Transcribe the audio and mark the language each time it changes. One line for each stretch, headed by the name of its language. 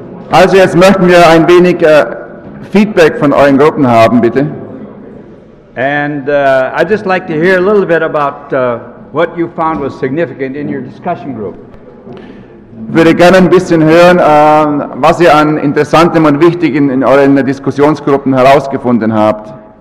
German: Also, jetzt möchten wir ein wenig Feedback von euren Gruppen haben, bitte.
English: And I'd just like to hear a little bit about what you found was significant in your discussion group.
German: Ich würde gerne ein bisschen hören, was ihr an Interessantem und Wichtigem in euren Diskussionsgruppen herausgefunden habt.